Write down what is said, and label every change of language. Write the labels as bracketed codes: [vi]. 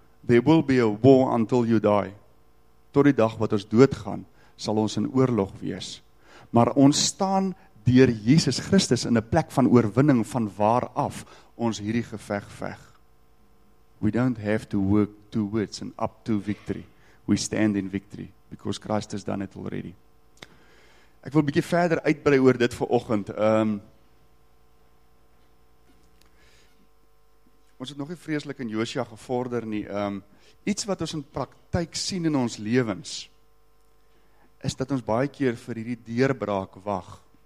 [en] There will be a war until you die. [af] Tot die dag wat ons doodgaan, sal ons in oorlog wees. Maar ons staan deur Jesus Christus in 'n plek van oorwinning van waar af ons hierdie geveg veg. [en] We don't have to work towards and up to victory. We stand in victory because Christ has done it already. [af] Ek wil 'n bietjie verder uitbrei oor dit vanoggend. Ons het nog nie vreeslik in Josua gevorder nie. Iets wat ons in praktyk sien in ons lewens is dat ons baie keer vir hierdie deurbraak wag.